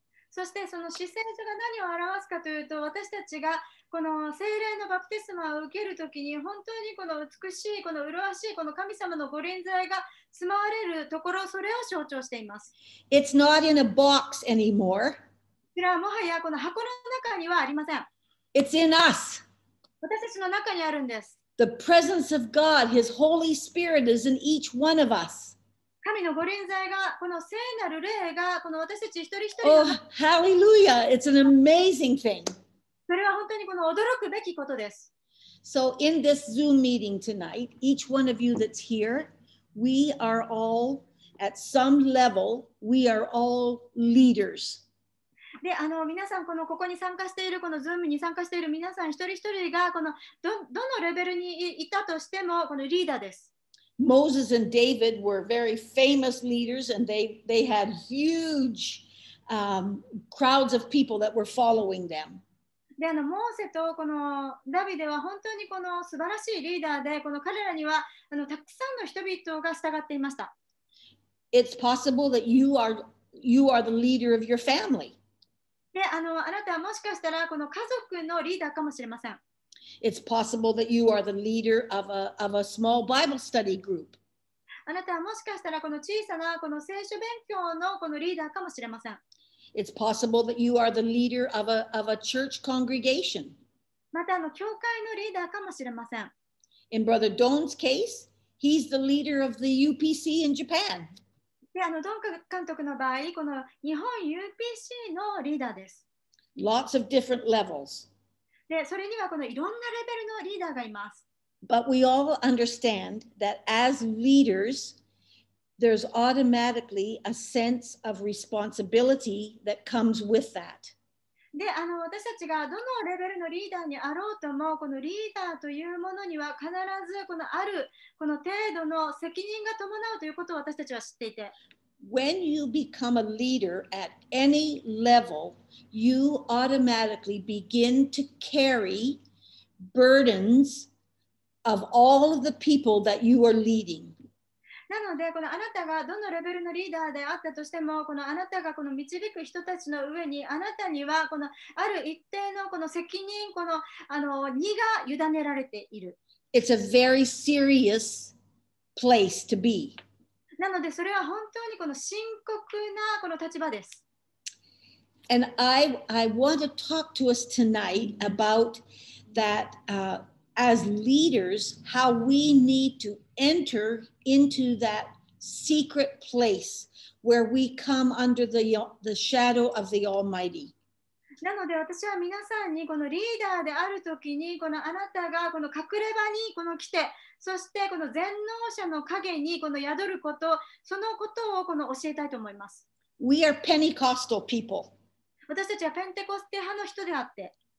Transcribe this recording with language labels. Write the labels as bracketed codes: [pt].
[ja] そしてその施政所が何を表すかというと、私たちがこの聖霊のバプテスマを受けるときに、本当にこの美しい、この麗しい、この神様の御臨在が住まわれるところ、それを象徴しています。 [en] It's not in a box anymore. [ja] それはもはやこの箱の中にはありません。 [en] It's in us. [ja] 私たちの中にあるんです。 [en] The presence of God, His Holy Spirit is in each one of us. [ja] 神の御臨在が、この聖なる霊が、この私たち一人一人の。 [en] Oh, hallelujah! It's an amazing thing. [ja] それは本当にこの驚くべきことです。 [en] So in this Zoom meeting tonight, each one of you that's here, we are all, at some level, we are all leaders. [ja] で、あの、皆さん、このここに参加している、この Zoom に参加している皆さん一人一人が、このどのレベルにいたとしても、このリーダーです。 [en] Moses and David were very famous leaders, and they had huge crowds of people that were following them. [ja] で、あの、モーセとこのダビデは本当にこの素晴らしいリーダーで、この彼らにはあのたくさんの人々が従っていました。 [en] It's possible that you are the leader of your family. [ja] で、あの、あなたはもしかしたらこの家族のリーダーかもしれません。 [en] It's possible that you are the leader of a small Bible study group. [ja] あなたはもしかしたらこの小さなこの聖書勉強のこのリーダーかもしれません。 [en] It's possible that you are the leader of a church congregation. [ja] またあの教会のリーダーかもしれません。 [en] In Brother Don's case, he's the leader of the UPC in Japan. [ja] で、あのドン監督の場合、この日本 UPC のリーダーです。 [en] Lots of different levels. [ja] で、それにはこのいろんなレベルのリーダーがいます。 [en] But we all understand that as leaders, there's automatically a sense of responsibility that comes with that. [ja] で、あの、私たちがどのレベルのリーダーにあろうとも、このリーダーというものには必ずこのあるこの程度の責任が伴うということを私たちは知っていて。 [en] When you become a leader at any level, you automatically begin to carry burdens of all of the people that you are leading. [ja] なのでこのあなたがどのレベルのリーダーであったとしてもこのあなたがこの導く人たちの上にあなたにはこのある一定のこの責任このあの荷が委ねられている。 [en] It's a very serious place to be. [ja] なのでそれは本当にこの深刻なこの立場です。 [en] And I want to talk to us tonight about that、as leaders, how we need to enter into that secret place where we come under the shadow of the Almighty. [ja] なので私は皆さんにこのリーダーであるときにこのあなたがこの隠れ場にこの来てそしてこの全能者の影にこの宿ることそのことをこの教えたいと思います。 [en] We are Pentecostal people. [ja] 私たちはペンテコステ派の人であって。